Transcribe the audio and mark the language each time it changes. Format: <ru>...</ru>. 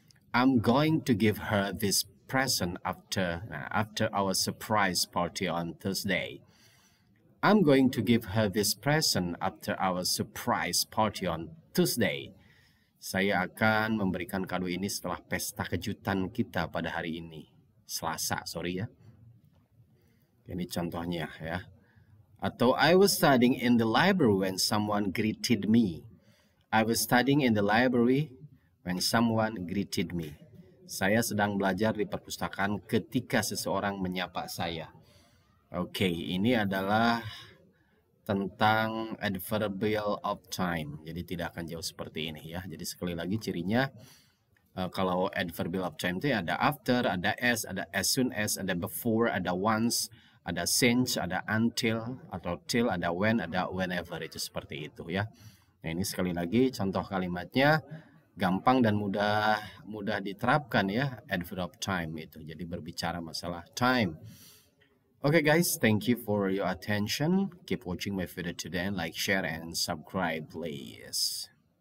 <en>I'm going to give her this present after, after our surprise party on Thursday. I'm going to give her this present after our surprise party on Tuesday.</en> <id>Saya akan memberikan kado ini setelah pesta kejutan kita pada hari ini. Selasa, sorry ya. Ini contohnya ya.</id> <en>Atau I was studying in the library when someone greeted me. I was studying in the library when someone greeted me.</en> <id>Saya sedang belajar di perpustakaan ketika seseorang menyapa saya. Oke, ini adalah tentang adverbial of time. Jadi tidak akan jauh seperti ini ya. Jadi sekali lagi cirinya, kalau adverbial of time itu ada after, ada as, ada as soon as, ada before, ada once, ada since, ada until, atau till, ada when, ada whenever. Itu seperti itu ya. Nah, ini sekali lagi contoh kalimatnya gampang dan mudah diterapkan ya, adverb of time itu. Jadi berbicara masalah time.</id> <en>Okay guys, thank you for your attention. Keep watching my video today and like, share and subscribe please.</en>